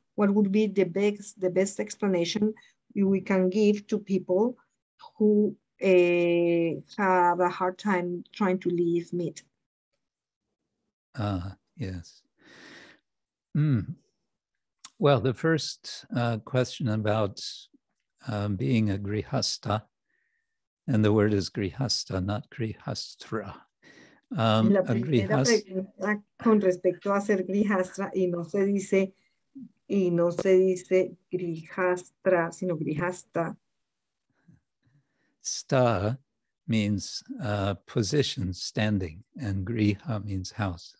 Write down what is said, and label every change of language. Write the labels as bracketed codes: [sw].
[en] What would be the best explanation we can give to people who have a hard time trying to leave meat? Yes. Well, the first question about being a grihasta, and the word is grihasta, not grihastra. [es] La primera pregunta con respecto a ser grihastra y no se dice grihastra, sino grihasta. [en] Sta means position, standing, and griha means house.